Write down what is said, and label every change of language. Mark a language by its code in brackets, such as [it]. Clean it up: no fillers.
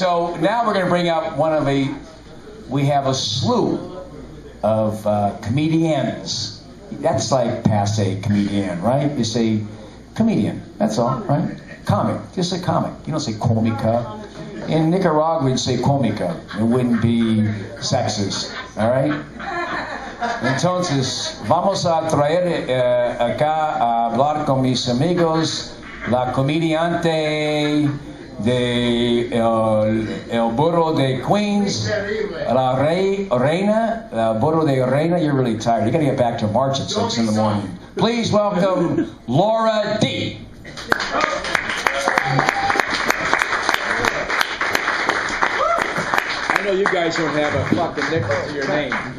[en] so now we're going to bring up we have a slew of comedians. That's like passe comedian, right? You say comedian, that's all, right? Comic, just say comic. You don't say comica. In Nicaragua, we'd say cómica. It wouldn't be sexist, all right? [es] Entonces, vamos a traer acá a hablar con mis amigos, la comediante de el burro de Queens, la reina, burro de reina. [en] You're really tired. You got to get back to March at 6 in the morning. Please welcome Laura D. I know you guys don't have a fucking nickel to your name.